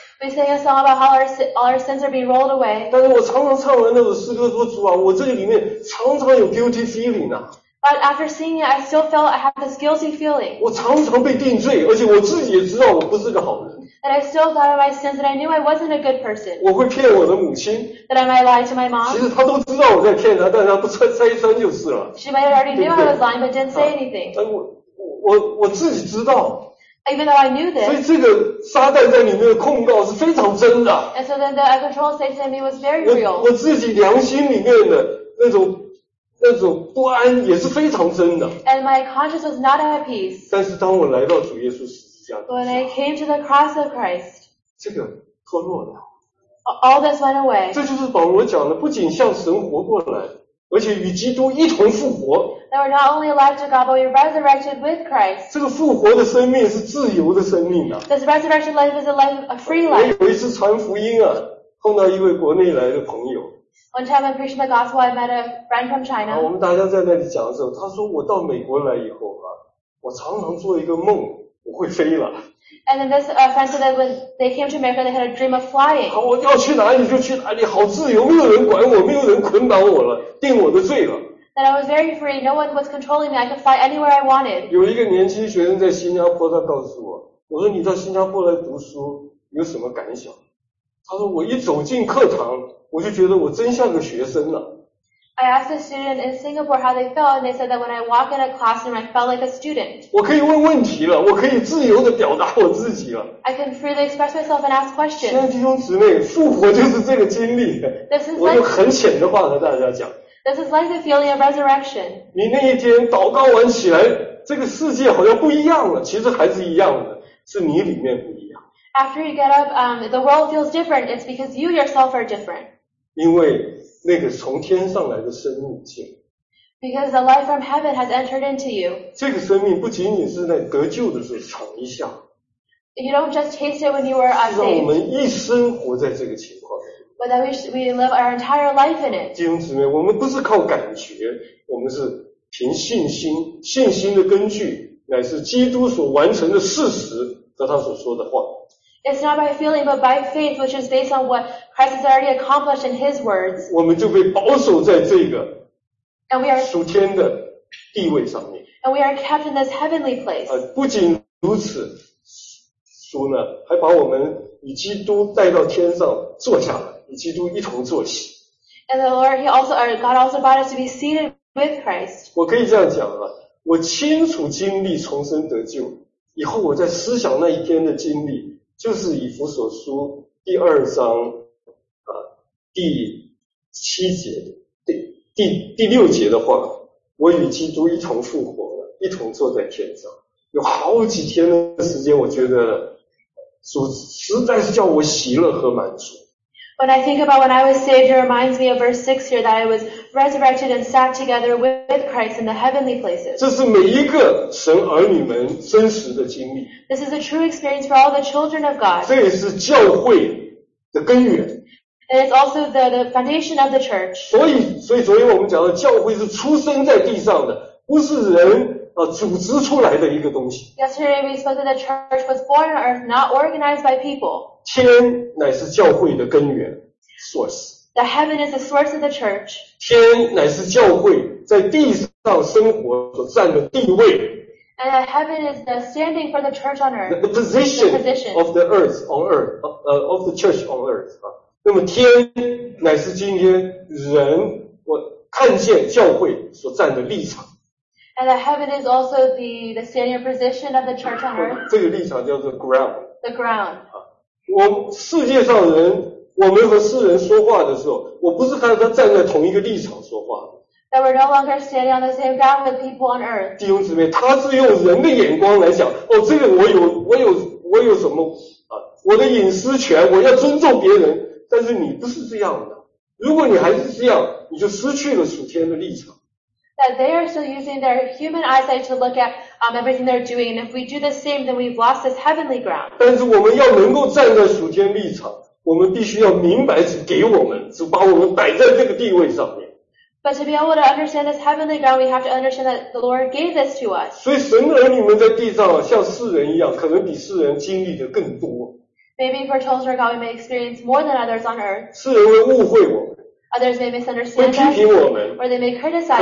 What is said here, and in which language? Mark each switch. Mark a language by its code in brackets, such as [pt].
[en] We sing a song about how all our sins are being rolled away. [zh] 但是我常常唱完那首诗歌说，主啊，我这里面常常有 [en] guilty feeling [zh] 啊。 [en] But after singing it, I still felt I have this guilty feeling. [zh] 我常常被定罪，而且我自己也知道我不是个好人。 [en] That I still thought of my sins, that I knew I wasn't a good person. [zh] 我会骗我的母亲。 [en] That I might lie to my mom. [zh] 其实她都知道我在骗她，但是她不拆穿就是了。 [en] She might have already knew I was lying, but didn't say anything. [zh] 我自己知道。 [en] Even though I knew this. [zh] 所以这个撒旦在里面的控告是非常真的。 [en] And so then the control station in me was very real. [zh] 我自己良心里面的那种不安也是非常真的。 [en] And my conscience was not at peace. [zh] 但是当我来到主耶稣时， [en] When I came to the cross of Christ, [zh] 这个脱落了。 [en] All this went away. [zh] 这就是保罗讲的，不仅向神活过来，而且与基督一同复活。 [en] That we're not only alive to God, but we're resurrected with Christ. [zh] 这个复活的生命是自由的生命啊。 [en] This resurrection life is a life, a free life. [zh] 我有一次传福音啊，碰到一位国内来的朋友。 [en] One time when preaching the gospel, I met a friend from China. [zh] 我们大家在那里讲的时候，他说我到美国来以后啊，我常常做一个梦。我会飞了。 [en] And then this friend said that when they came to America, they had a dream of flying. [zh] 我要去哪里就去哪里，好自由，没有人管我，没有人捆绑我了，定我的罪了。 [en] That I was very free, no one was controlling me. I could fly anywhere I wanted. [zh] 有一个年轻学生在新加坡，他告诉我，我说你到新加坡来读书有什么感想？他说我一走进课堂，我就觉得我真像个学生了。 [en] I asked a student in Singapore how they felt, and they said that when I walk in a classroom, I felt like a student. [zh] 我可以问问题了，我可以自由地表达我自己了。 [en] I can freely express myself and ask questions. [zh] 亲爱的弟兄姊妹，复活就是这个经历。我就很浅的话和大家讲。 [en] This is like the feeling of resurrection. [zh] 你那一天祷告完起来，这个世界好像不一样了，其实还是一样的，是你里面不一样。 [en] After you get up, the world feels different. It's because you yourself are different. [zh] 因为那个从天上来的生命进。 [en] Because the life from heaven has entered into you. [zh] 这个生命不仅仅是在得救的时候尝一下。 [en] You don't just taste it when you are unsaved. [zh] 让我们一生活在这个情况。 [en] But that we live our entire life in it. [zh] 弟兄姊妹，我们不是靠感觉，我们是凭信心，信心的根据乃是基督所完成的事实和他所说的话。 [en] It's not by feeling, but by faith, which is based on what Christ has already accomplished in His words. [zh] 我们就被保守在这个属天的地位上面。 [en] And we are kept in this heavenly place. [zh] 不仅如此，主呢还把我们与基督带到天上坐下来，与基督一同坐席。 [en] And the Lord, He also, or God also brought us to be seated with Christ. [zh] 我可以这样讲啊，我清楚经历重生得救以后，我在思想那一天的经历。就是以弗所书第二章第七节 第六节的话，我与基督一同复活了，一同坐在天上。有好几天的时间，我觉得主实在是叫我喜乐和满足。 [en] When I think about when I was saved, it reminds me of verse 6 here that I was resurrected and sat together with Christ in the heavenly places. [zh] 这是每一个神儿女们真实的经历。 [en] This is a true experience for all the children of God. [zh] 这也是教会的根源。 [en] And it's also the foundation of the church. [zh] 所以昨天我们讲的教会是出生在地上的，不是人组织出来的一个东西。 [en] Yesterday we spoke that the church was born on earth, not organized by people. [zh] 天乃是教会的根源 source. [en] The heaven is the source of the church. [zh] 天乃是教会在地上生活所占的地位。 [en] And the heaven is the standing for the church on earth. The position of the earth on earth, of the church on earth. [zh] 那么天乃是今天人我看见教会所占的立场。 [en] And the heaven is also the standing position of the church on earth. [zh] 这个立场叫做 ground. [en] The ground. [zh] 我世界上人，我们和世人说话的时候，我不是和他站在同一个立场说话。 [en] That we're no longer standing on the same ground with people on earth. [zh] 弟兄姊妹，他是用人的眼光来讲，哦，这个我有什么我的隐私权，我要尊重别人。但是你不是这样的。如果你还是这样，你就失去了属天的立场。 [en] That they are still using their human eyesight to look at everything they're doing. And if we do the same, then we've lost this heavenly ground. [zh] 但是我们要能够站在属天立场，我们必须要明白主给我们，主把我们摆在这个地位上面。 [en] But to be able to understand this heavenly ground, we have to understand that the Lord gave this to us. [zh] 所以神儿女们在地上像世人一样，可能比世人经历的更多。 [en] Maybe for children of God, we may experience more than others on earth. [zh] 世人会误会我们。 [en] Others may misunderstand us, or they may criticize us.